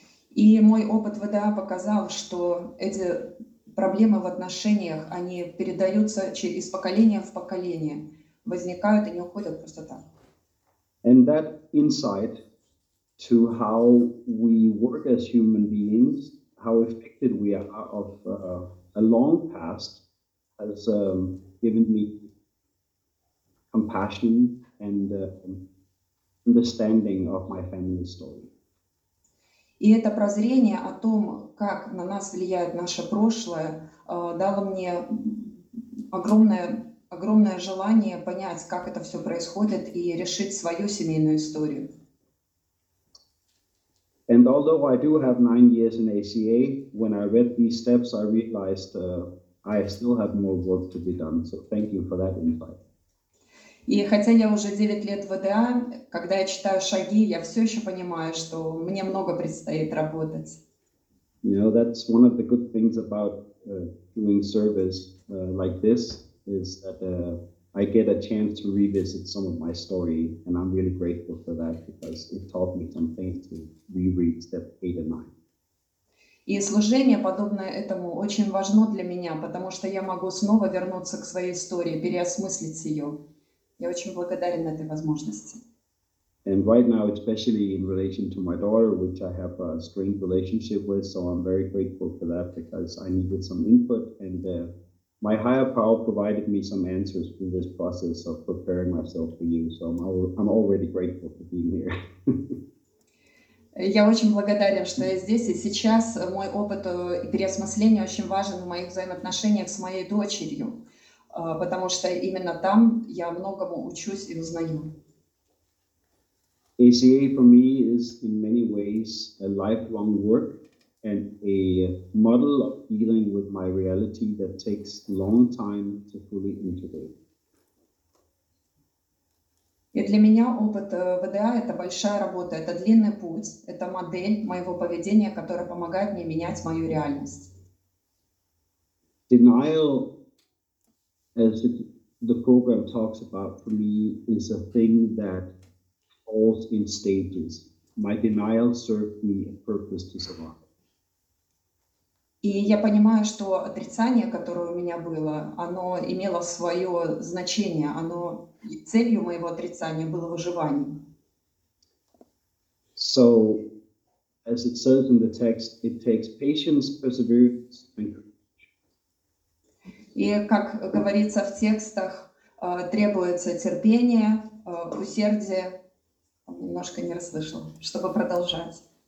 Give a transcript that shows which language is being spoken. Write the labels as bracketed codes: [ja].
[ru] И мой опыт в ВДА показал, что эти проблемы в отношениях, они передаются из поколения в поколение, возникают и не уходят просто так. [en] And that insight to how we work as human beings, how affected we are of a long past, has given me compassion and understanding of my family story. [ru] И это прозрение о том, как на нас влияет наше прошлое, дало мне огромное желание понять, как это все происходит, и решить свою семейную историю. [en] And although I do have 9 years in ACA, when I read these steps, I realized I still have more work to be done. So thank you for that insight. [ru] И хотя я уже 9 лет в ВДА, когда я читаю шаги, я все еще понимаю, что мне много предстоит работать. [en] You know, that's one of the good things about doing service like this, is that I get a chance to revisit some of my story, and I'm really grateful for that, because it taught me some things to reread step 8 and 9. [ru] И служение, подобное этому, очень важно для меня, потому что я могу снова вернуться к своей истории, переосмыслить ее. Я очень благодарен этой возможности. [en] And right now, especially in relation to my daughter, which I have a strained relationship with, so I'm very grateful for that, because I needed some input, and my higher power provided me some answers through this process of preparing myself for you, so I'm already grateful for being here. [ru] Я очень благодарен, что я здесь, и сейчас мой опыт и переосмысление очень важен в моих взаимоотношениях с моей дочерью, потому что именно там я многому учусь и узнаю. [en] ACA for me is in many ways a lifelong work and a model of dealing with my reality that takes long time to fully integrate. [ru] И для меня опыт ВДА — это большая работа, это длинный путь, это модель моего поведения, которая помогает мне менять мою реальность. [en] Denial, as the program talks about for me, is a thing that falls in stages. My denial served me a purpose to survive. [ru] И я понимаю, что отрицание, которое у меня было, оно имело свое значение, оно... Целью моего отрицания было выживание. [en] So, as it says in the text, it takes patience, perseverance, and courage. [ru] И как говорится в текстах, требуется терпение, усердие. Немножко не расслышала, чтобы продолжать.